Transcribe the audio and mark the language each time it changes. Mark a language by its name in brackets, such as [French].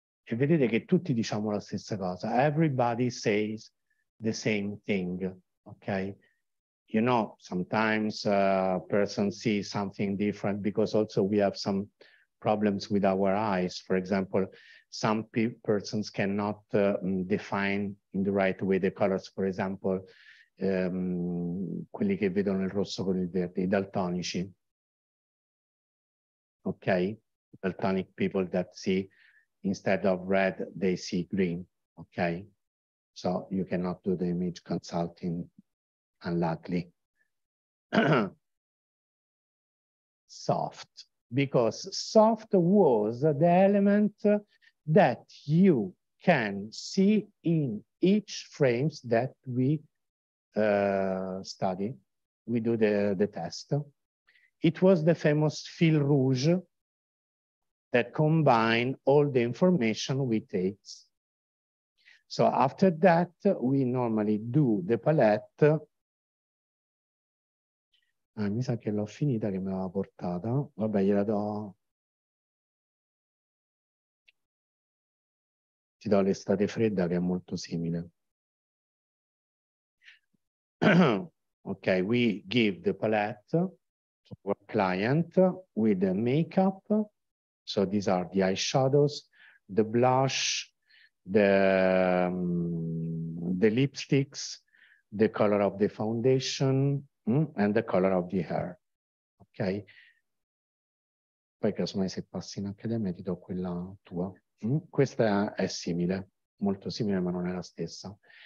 [Italian] E vedete che tutti diciamo la stessa cosa. [English] Everybody says the same thing, okay? You know, sometimes a person sees something different because also we have some problems with our eyes. For example, some persons cannot define in the right way the colors. For example, [Italian] quelli che vedono il rosso con il verde, i daltonici. [English] Okay, daltonic people that see instead of red, they see green. Okay, so you cannot do the image consulting. Unluckily, soft, because soft was the element that you can see in each frames that we study, we do the test. It was the famous fil rouge that combine all the information we take. So after that, we normally do the palette. [Italian] Ah, mi sa che l'ho finita, che me l'aveva portata. Vabbè, gliela do. Ti do l'estate fredda, che è molto simile. [English] Ok, we give the palette to our client with the makeup. So these are the eyeshadows, the blush, the lipsticks, the color of the foundation, and the color of the hair, okay? [Italian] Poi casomai se passi in accademia ti do quella tua. Mm? Questa è simile, molto simile, ma non è la stessa.